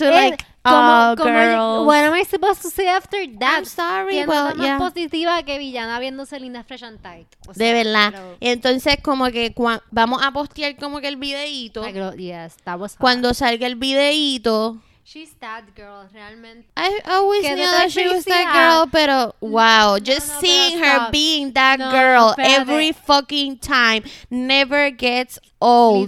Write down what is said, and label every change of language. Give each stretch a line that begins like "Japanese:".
English: What am I supposed to say after that? I'm sorry.
Spanish: Más positiva que villana viéndose linda,
English: fresh and tight.
Spanish: O sea, de verdad. Pero, entonces, como que vamos a postear como que el videíto.
English: Yes, that was
Spanish: cuando hard. Salga el videíto.
English: She's that girl, realmente. I always knew that she was that girl, pero wow, just seeing her being that girl every fucking time never gets old.